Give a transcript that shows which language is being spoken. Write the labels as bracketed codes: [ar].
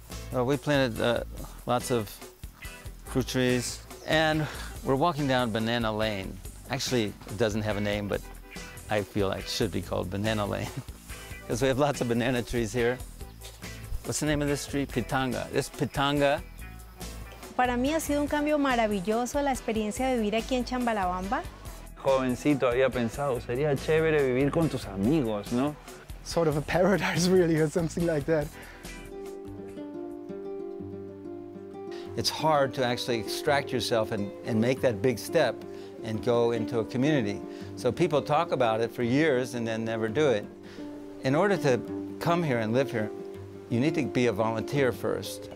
[en] We planted lots of fruit trees, and we're walking down Banana Lane. Actually, it doesn't have a name, but I feel like it should be called Banana Lane, because we have lots of banana trees here. What's the name of this street? Pitanga. This Pitanga. [es] Para mí ha sido un cambio maravilloso la experiencia de vivir aquí en Chambalabamba. Jovencito, había pensado, sería chévere vivir con tus amigos, ¿no? [en] Sort of a paradise, really, or something like that. It's hard to actually extract yourself and make that big step and go into a community. So people talk about it for years and then never do it. In order to come here and live here, you need to be a volunteer first.